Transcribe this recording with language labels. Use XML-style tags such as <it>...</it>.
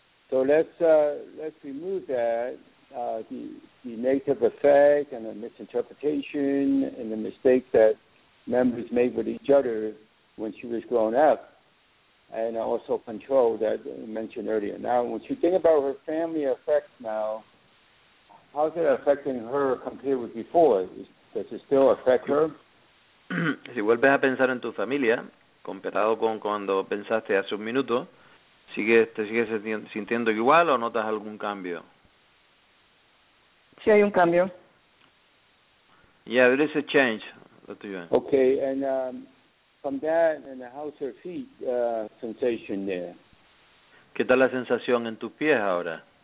<en>So let's remove that, the negative effect and the misinterpretation and the mistakes that members made with each other when she was growing up, and also control that I mentioned earlier. Now, when she think about her family effects now, how's it affecting her compared with before? Does it still affect her?</en> <es>Si vuelves a pensar en tu familia, comparado con cuando pensaste hace un minuto, ¿Te sigues sintiendo igual o notas algún cambio? Sí, hay un cambio.</es> <en>Yeah, there is a change. Okay, and from that, and how's her feet sensation there?</en> <es>¿Qué tal la sensación en tus pies ahora?</es>